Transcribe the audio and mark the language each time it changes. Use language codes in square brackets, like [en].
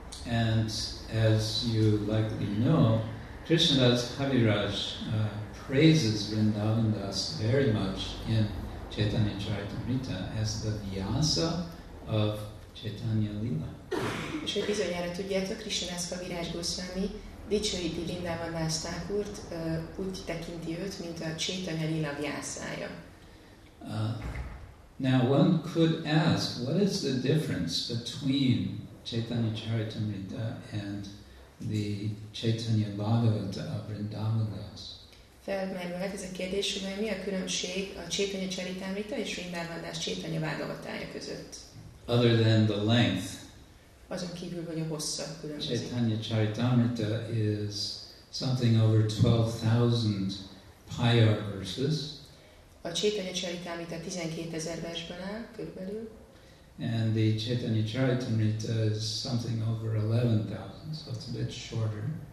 [en] And as you likely know, Krishnadas Kaviraj praises Vrindavan Das very much in Chaitanya Charitamrita as the Vyasa of Chaitanya Lila. [hu] És hogy bizonyára tudjátok, Krishnadas Kaviraj Goswami dicsőíti Vrindavan Das Thakurt, úgy tekinti őt, mint a Chaitanya Lila vyászája. [en] Now one could ask, what is the difference between Chaitanya Charitamrita and the Chaitanya Bhagavata of Vrindavan Das? [hu] Felmerülhet ez a kérdés, hogy mi a különbség a Chaitanya Charitamrita és Vrindavan Das Chaitanya Bhagavatája között? [en] Other than the length. [hu] Azon kívül, hogy a hossza különbözik. [en] Chaitanya Charitamrita is something over 12,000 Pyar verses. [hu] A Chaitanya Charitamrita 12,000 versből áll, körülbelül. [en] And the Chaitanya Charitamrita is something over 11,000, so it's a bit shorter.